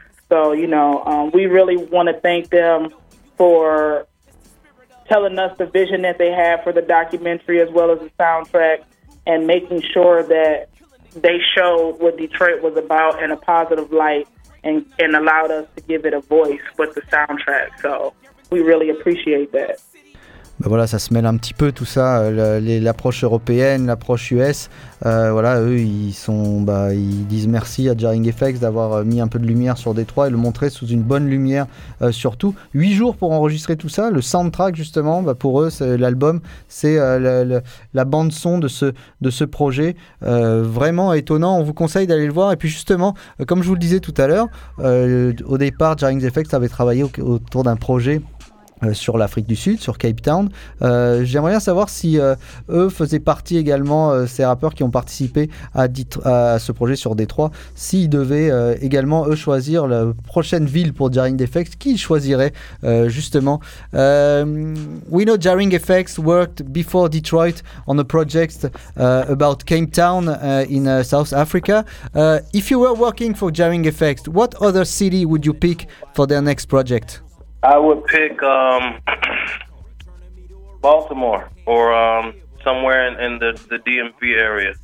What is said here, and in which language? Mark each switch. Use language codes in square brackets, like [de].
[en] So, you know, we really want to thank them for telling us the vision that they have for the documentary as well as the soundtrack, and making sure that they showed what Detroit was about in a positive light, and allowed us to give it a voice with the soundtrack. So we really appreciate that. [fr] Ben voilà, ça se mêle un petit peu tout ça, l'approche européenne, l'approche US. Voilà, eux, ils disent merci à Jarring Effect d'avoir mis un peu de lumière sur Détroit et le montrer sous une bonne lumière, surtout. 8 jours pour enregistrer tout ça. Le soundtrack, justement, pour eux, c'est l'album, c'est la bande-son de ce projet. Vraiment étonnant. On vous conseille d'aller le voir. Et puis, justement, comme je vous le disais tout à l'heure, au départ, Jarring Effect avait travaillé autour d'un projet sur l'Afrique du Sud, sur Cape Town. J'aimerais bien savoir si eux faisaient partie également, ces rappeurs qui ont participé à ce projet sur Détroit, s'ils devaient également eux choisir la prochaine ville pour Jarring Effect, qui ils choisiraient justement. [en] We know Jarring Effect worked before Detroit on a project about Cape Town in South Africa. If you were working for Jarring Effect, what other city would you pick for their next project? I would pick Baltimore or somewhere in the DMV area.